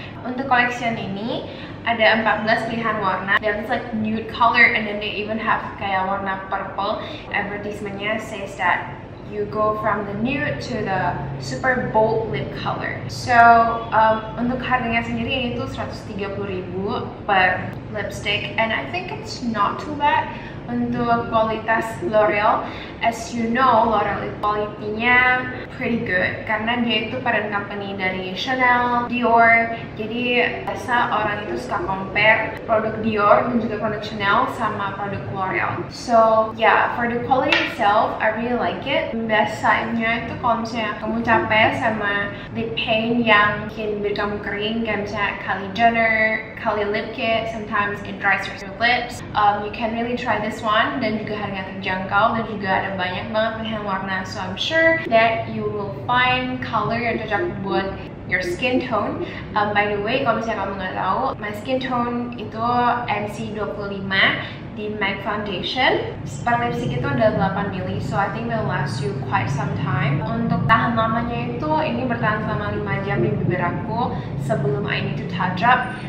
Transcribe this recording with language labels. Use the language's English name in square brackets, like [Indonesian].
[Indonesian] Untuk collection ini ada 14 pilihan warna. [English] Dan it's like nude color and then they even have [Indonesian] kayak warna [English] purple. Advertisementnya says that you go from the nude to the super bold lip color. [Indonesian] So, untuk harganya sendiri ini tuh Rp130.000 per lipstick. [English] And I think it's not too bad [Indonesian] untuk kualitas [English] L'Oreal. As you know, L'Oreal quality-nya pretty good [Indonesian] karena dia itu [English] parent company dari Chanel, Dior. [Indonesian] Jadi biasa orang itu suka compare produk Dior dan juga produk Chanel sama produk L'Oreal. [English] So yeah, for the quality itself, I really like it. [Indonesian] Biasanya itu kalau misalnya kamu capek sama lip paint yang bikin bibir kamu kering, kayak misalnya Kylie Jenner, Kylie Lip Kit, [English] sometimes it dries your lips, you can really try this one. [Indonesian] Dan juga harganya terjangkau dan juga ada banyak banget pilihan warna, [English] so I'm sure that you will find color [Indonesian] yang cocok buat [English] your skin tone. By the way, [Indonesian] kalau misalnya kamu nggak tahu, [English] my skin tone [Indonesian] itu MC25 di MAC Foundation. [English] Per lipstick [Indonesian] itu ada 8 mili, [English] so I think will last you quite some time. [Indonesian] Untuk tahan lamanya itu, ini bertahan selama 5 jam di bibir aku sebelum [English] I need to touch up.